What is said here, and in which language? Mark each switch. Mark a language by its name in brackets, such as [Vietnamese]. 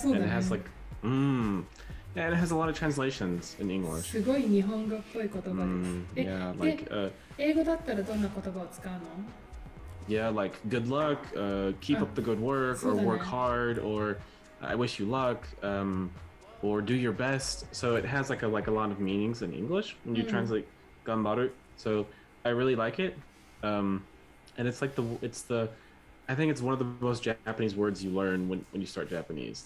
[English] and it has like, and it has a lot of translations in English. [Japanese] すごい日本語っぽい言葉です。英語だったらどんな言葉を使うの？ [English] Yeah, like good luck, keep up the good work, or work hard, or I wish you luck, or do your best. So it has like a lot of meanings in English when you translate 頑張る. So I really like it. And it's like I think it's one of the most Japanese words you learn when you start Japanese.